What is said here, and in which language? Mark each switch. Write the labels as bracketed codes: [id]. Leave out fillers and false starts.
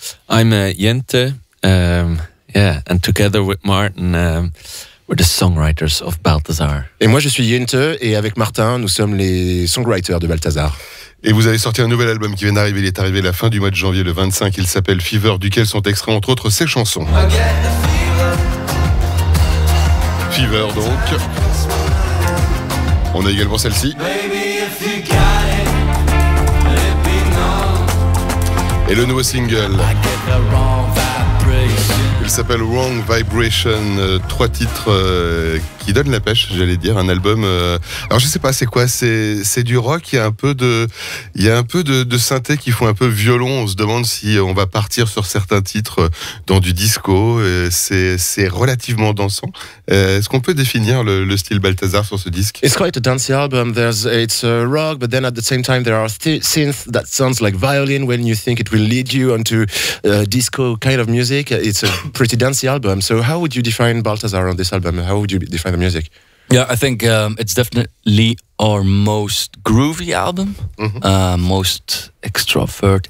[en] I'm Jente, and together with Martin, we're the songwriters of Balthazar. [fr] Et moi, je suis Jente, et avec Martin, nous sommes les songwriters de Balthazar. Et vous avez sorti un nouvel album qui vient d'arriver, il est arrivé la fin du mois de janvier, le 25, il s'appelle Fever, duquel sont extraits, entre autres, ces chansons. Fever, donc. On a également celle-ci. Et le nouveau single, il s'appelle Wrong Vibration, trois titres qui donnent la pêche, j'allais dire, un album. Alors je sais pas, c'est quoi, c'est du rock, il y a un peu de synthé qui font un peu violon. On se demande si on va partir sur certains titres dans du disco. C'est relativement dansant. Est-ce qu'on peut définir le style Balthazar sur ce disque? [en] It's quite a dancey album. It's a rock, but then at the same time there are synths that sounds like violin when you think it will lead you onto disco kind of music. It's a pretty dancey album. So how would you define Balthazar on this album? How would you define the music? Yeah, I think it's definitely our most groovy album, most extrovert.